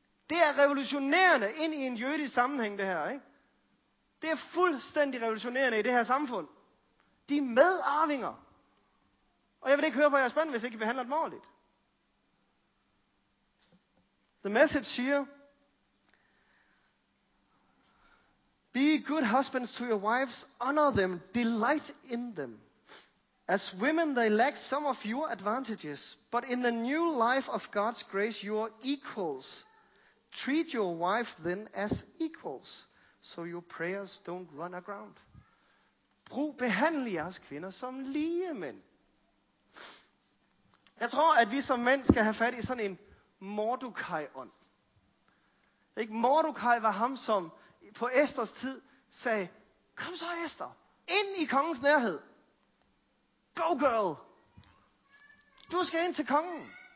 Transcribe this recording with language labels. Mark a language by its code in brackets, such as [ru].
[da] Det er revolutionerende ind i en jødisk sammenhæng, det her, ikke? Det er fuldstændig revolutionerende i det her samfund. De er medarvinger. Og jeg vil ikke høre på jeres bøn, hvis ikke I behandler dem ordentligt. [en] The Message siger, be good husbands to your wives, honor them, delight in them. As women, they lack some of your advantages, but in the new life of God's grace, you are equals. Treat your wife then as equals, so your prayers don't run aground. [da] Behandl jeres kvinder som lige mænd. Jeg tror, at vi som mænd skal have fat i sådan en Mordecai-ånd. Ikke? Mordecai var ham, som på Esters tid sagde, kom så Esther, ind i kongens nærhed. [en] Go girl! [da] Du skal ind til kongen.